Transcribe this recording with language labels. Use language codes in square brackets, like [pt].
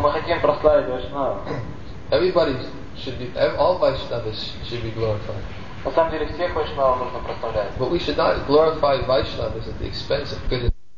[ru] Мы хотим прославить Вайшнава. [en] Everybody should be, all Vaishnavas should be glorified. [ru] На самом деле всех Вайшнава нужно прославлять. [en] But we should not glorify Vaishnavas at the expense of good.